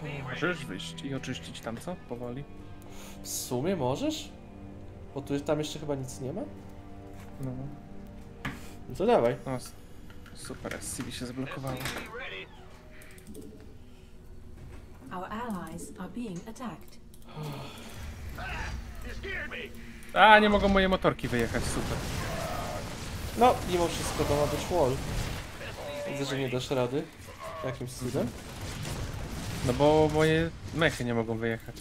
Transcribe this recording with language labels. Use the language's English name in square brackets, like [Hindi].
[Polish] Możesz wyjść i oczyścić tam co? Powoli. W sumie możesz? Bo tu tam jeszcze chyba nic nie ma? No. No to dawaj. O, super, SCV się zablokowało. [English] Our allies are being attacked. [Polish] A, nie mogą moje motorki wyjechać, super. No, mimo wszystko to ma być wall. Widzę, że nie dasz rady. Jakimś cudem. No bo moje mechy nie mogą wyjechać.